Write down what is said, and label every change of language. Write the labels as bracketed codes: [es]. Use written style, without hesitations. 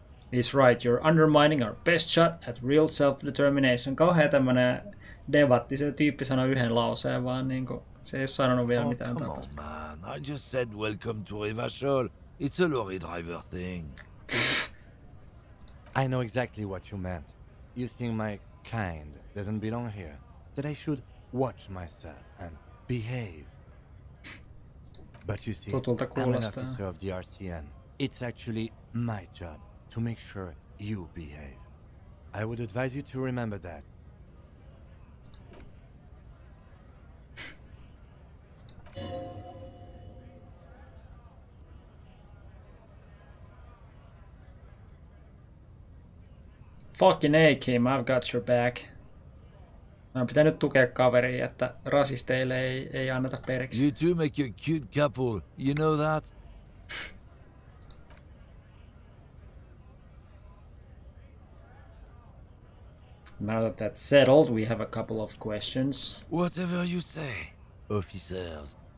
[en] He's right, you're undermining our best shot at real self-determination. [fi] Kauhea tämmönen debatti, se tyyppi sanoi yhden lauseen vaan niinku Se ei ole sanonut vielä mitään tapasta. [en] Oh, come on, man. I just said welcome to Rivashol. It's a lorry driver thing. I know exactly what you meant. You think my kind doesn't belong here. That I should watch myself and behave. But you see, I'm an officer of the RCN. It's actually my job to make sure you behave. I would advise you to remember that. Fucking A, Kim, I've got your back. [fi] Mä oon pitänyt tukea kaveria, että rasisteille ei anneta periksi. [en] You two make a cute couple, you know that? Now that that's settled, we have a couple of questions. Whatever you say, officers.